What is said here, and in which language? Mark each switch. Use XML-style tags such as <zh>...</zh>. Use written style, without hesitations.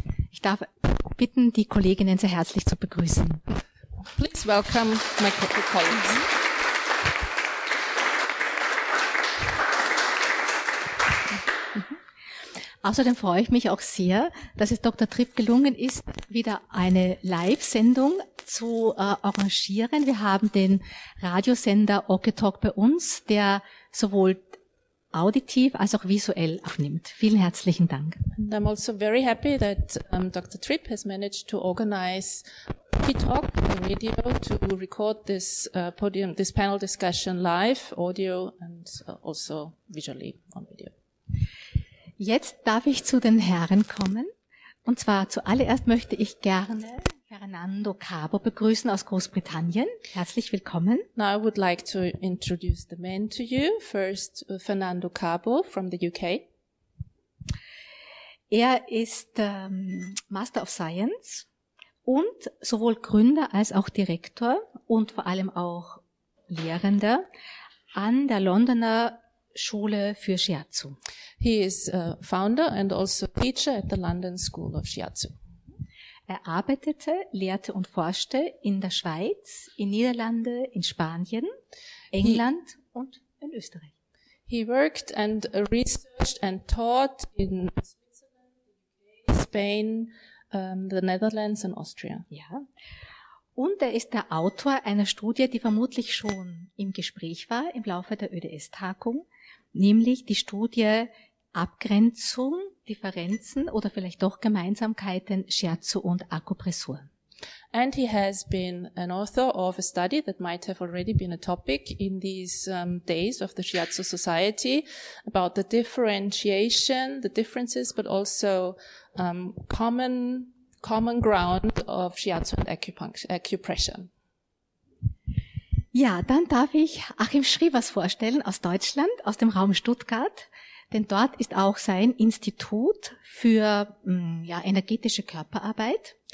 <de>Ich darf bitten, die Kolleginnen sehr herzlich zu begrüßen.</de> <en>Please welcome my colleagues.</en> <de>Außerdem freue ich mich auch sehr, dass es Dr. Tripp gelungen ist, wieder eine Live-Sendung zu arrangieren. Wir haben den Radiosender OKTALK bei uns, der sowohl auditiv als auch visuell aufnimmt. Vielen herzlichen Dank.</de> <en>And I'm also very happy that Dr. Tripp has managed to organize OKTALK, the radio, to record this podium, this panel discussion live, audio and also visually on video.</en> <de>Jetzt darf ich zu den Herren kommen. Und zwar zuallererst möchte ich gerne Fernando Cabo begrüßen aus Großbritannien. Herzlich willkommen.</de> <en>Now I would like to introduce the men to you. First, Fernando Cabo from the UK.</en> <de>Er ist Master of Science und sowohl Gründer als auch Direktor und vor allem auch Lehrender an der Londoner Schule für Shiatsu.</de> <en>He is a founder and also teacher at the London School of Shiatsu.</en> <de>Er arbeitete, lehrte und forschte in der Schweiz, in Niederlande, in Spanien, England und in Österreich.</de> <en>He worked and researched and taught in Switzerland, Spain, the Netherlands and Austria.</en> <de>Ja. Und er ist der Autor einer Studie, die vermutlich schon im Gespräch war im Laufe der ÖDS-Tagung, nämlich die Studie Abgrenzung, Differenzen oder vielleicht doch Gemeinsamkeiten, Scherzo und Akupressur.</de> <en>And he has been an author of a study that might have already been a topic in these days of the Shiatsu Society about the differentiation, the differences, but also common ground of Shiatsu and acupressure.</en> <de>Ja, dann darf ich Achim Schrievers vorstellen aus Deutschland, aus dem Raum Stuttgart. Denn dort ist auch sein Institut für energetische Körperarbeit.</de>